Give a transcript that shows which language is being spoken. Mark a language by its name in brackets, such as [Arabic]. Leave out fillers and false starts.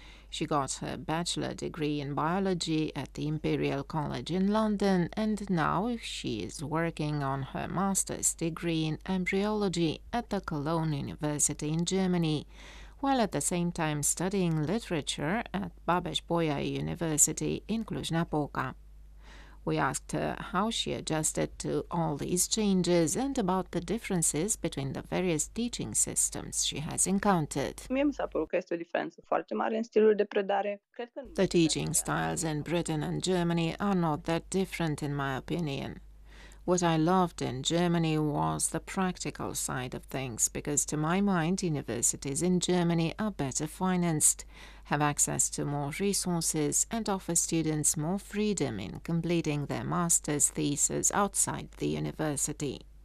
[English] She got her bachelor degree in biology at the Imperial College in London, and now she is working on her master's degree in embryology at the Cologne University in Germany, while at the same time studying literature at Babeș-Bolyai University in Cluj-Napoca. We asked her how she adjusted to all these changes and about the differences between the various teaching systems she has encountered. [Romanian] Mie mi s-a părut că este o diferență foarte mare în stilul de predare. [English] The teaching styles in Britain and Germany are not that different, in my opinion. What I loved in Germany was the practical side of things, because to my mind, universities in Germany are better financed, have access to more resources, and offer students more freedom in completing their master's thesis outside the university.